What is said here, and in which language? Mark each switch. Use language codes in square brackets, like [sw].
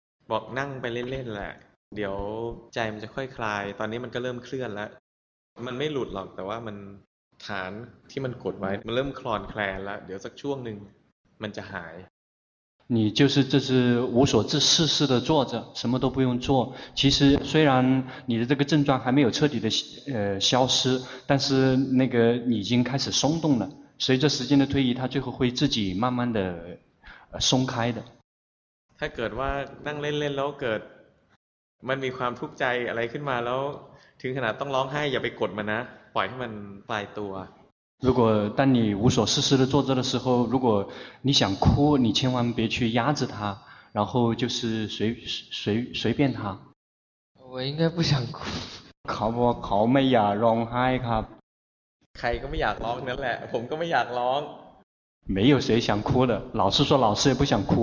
[th] บอกนั่งไปเล่นๆแหละเดี๋ยวใจมันจะค่อยคลายตอนนี้มันก็เริ่มเคลื่อนแล้วมันไม่หลุดหรอกแต่ว่ามันฐานที่มันกดไว้มันเริ่มคลอนแคลนแล้วเดี๋ยวสักช่วงหนึ่งมันจะหาย [zh] 你就是这是无所事事事的坐着什么都不用做其实虽然你的这个症状还没有彻底的消失但是那个你已经开始松动了随着时间的推移它最后会自己慢慢的松开的 [th] ถ้าเกิดว่านั่งเล่นๆแล้วเกิดมันมีความทุกข์ใจอะไรขึ้นมาแล้วถึงขนาดต้องร้องไห้อย่าไปกดมันนะปล่อยให้มันปล่อยตัว [zh] 如果当你无所事事的坐着的时候如果你想哭你千万别去压制它然后就是随便它我应该不想哭 [th] เขาไม่อยากร้องไห้ครับ ใครก็ไม่อยากร้องนั่นแหละผมก็ไม่อยากร้อง [zh] 没有谁想哭的老师说老师也不想哭